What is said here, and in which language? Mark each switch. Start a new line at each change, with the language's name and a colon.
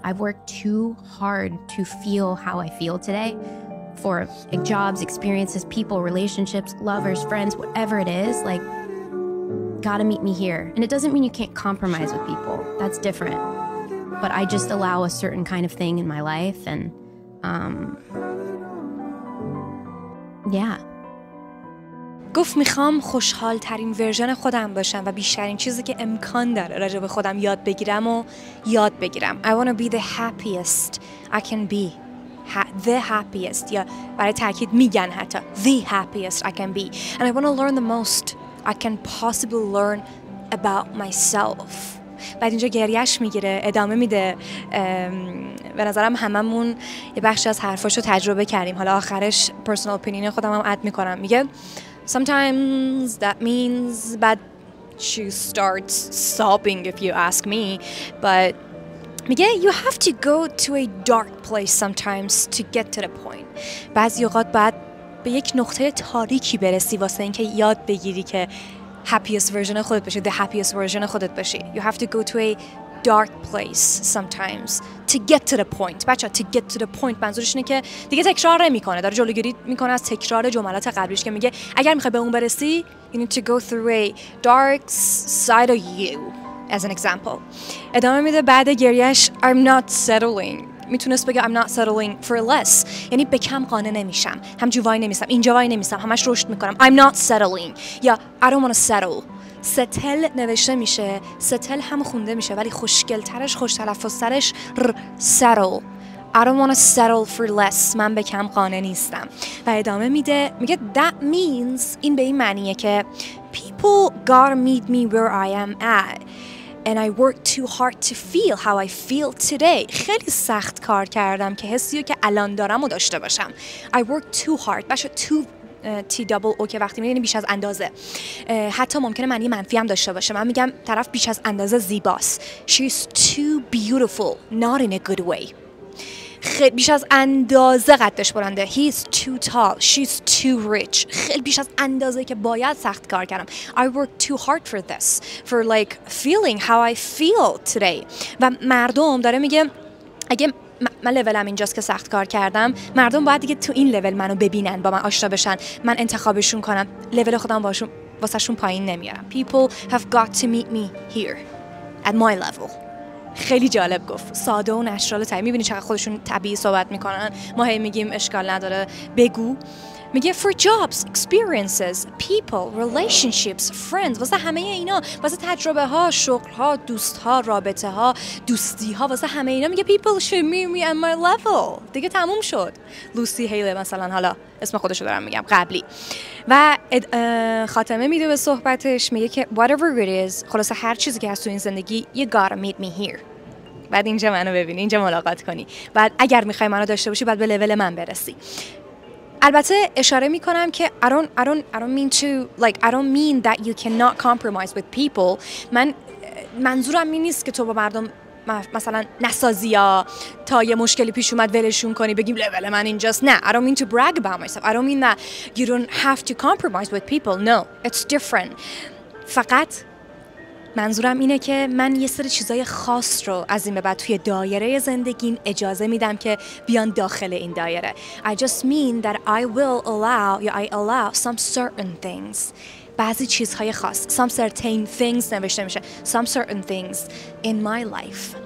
English: I've worked too hard to feel how I feel today for jobs, experiences, people, relationships, lovers, friends, whatever it is, like, gotta meet me here. And it doesn't mean you can't compromise with people. That's different. But I just allow a certain kind of thing in my life and, yeah.
Persian: گفت میخوام خوشحال ترین ورژن خودم باشم و بیشترین چیزی که امکان داره راجع به خودم یاد بگیرم و یاد بگیرم.
English: I want to be the happiest I can be. The happiest.
Persian: یا برای تاکید میگن حتی.
English: The happiest I can be. And I want to learn the most I can possibly learn about myself.
Persian: بعد اینجا گریش میگیره، ادامه میده. به نظرم هممون یه بخشی از حرفاش رو تجربه کردیم. حالا آخرش
English: personal opinion
Persian: خودم هم اد میکنم. میگه
English: Sometimes that means that she starts sobbing, if you ask me. But
Persian: میگه
English: you have to go to a dark place sometimes to get to the point.
Persian: بعضی اوقات باید به یک نقطه تاریکی برسی واسه اینکه یاد بگیری که
English: happiest version
Persian: خودت بشی,
English: the happiest version
Persian: خودت بشی.
English: You have to go to a dark place sometimes to get to the point.
Persian: بچه ها,
English: to get to the point
Persian: منظورش اینه که دیگه تکرار میکنه, داره جلوگیری میکنه از تکرار جملات قبلیش که میگه اگر میخوای به اون برسی
English: you need to go through a dark side of you as an example.
Persian: ادامه میده بعد گریش
English: I'm not settling.
Persian: میتونست بگه
English: I'm not settling for less,
Persian: یعنی به کم قانع نمیشم, همجور وای نمیسم, اینجا وای نمیسم, همش رشد میکنم.
English: I'm not settling
Persian: یا
English: I don't want to settle.
Persian: ستل نوشته میشه, ستل هم خونده میشه, ولی خوشگلترش, خوش تلفظترش ر سرل.
English: I don't want to settle for less.
Persian: من به کم قانع نیستم. و ادامه میده میگه
English: that means,
Persian: این به این معنیه که
English: people gotta meet me where I am at and I work too hard to feel how I feel today.
Persian: خیلی سخت کار کردم که حسیو که الان دارم و داشته باشم.
English: I work too hard.
Persian: باشه
English: too T-double-O
Persian: که وقتی میدونی بیش از اندازه, حتی ممکنه معنی منفی هم داشته باشه. من میگم طرف بیش از اندازه زیباست.
English: She's too beautiful, not in a good way.
Persian: خیلی بیش از اندازه قدش برنده.
English: He's too tall, she's too rich.
Persian: خیلی بیش از اندازه که باید سخت کار کردم.
English: I worked too hard for this, for like feeling how I feel today.
Persian: و مردم داره میگه اگه من لولم اینجاست که سخت کار کردم, مردم باید دیگه تو این لول منو ببینن, با من آشنا بشن, من انتخابشون کنم, لول خودم باشون واسه شون پایین نمیارم.
English: People have got to meet me here at my level.
Persian: خیلی جالب گفت, ساده و نشرال تایی. میبینی چقدر خودشون طبیعی صحبت میکنن, ما هی میگیم اشکال نداره بگو. میگه
English: for jobs, experiences, people, relationships, friends,
Persian: واسه همه اینا, واسه تجربه ها, شغل ها, دوست ها, رابطه ها, دوستی ها, واسه همه اینا میگه
English: people should meet me at my level.
Persian: دیگه تموم شد. لوسی هیلی مثلا, حالا اسم خودشو دارم میگم, قبلی. و خاتمه میده به صحبتش, میگه که
English: whatever it is,
Persian: خلاصه هر چیزی که هست تو این زندگی,
English: you gotta meet me here.
Persian: بعد اینجا منو ببینی, اینجا ملاقات کنی, بعد اگر میخوای منو داشته باشی بعد به لول من برسی. البته اشاره می کنم که
English: I don't mean that you cannot compromise with people.
Persian: من منظورم این نیست که تو با مردم مثلا نسازی یا تا یه مشکلی پیش اومد ولشون کنی بگیم لول من اینجاست. نه,
English: I don't mean to brag about myself. I don't mean that you don't have to compromise with people. No, it's different.
Persian: فقط منظورم اینه که من یه سری چیزای خاص رو از این به بعد توی دایره زندگیم اجازه میدم که بیان داخل این دایره.
English: I just mean that I will allow, yeah, I allow some certain things.
Persian: بعضی چیزهای خاص,
English: some certain things
Persian: نوشته میشه,
English: some certain things in my life.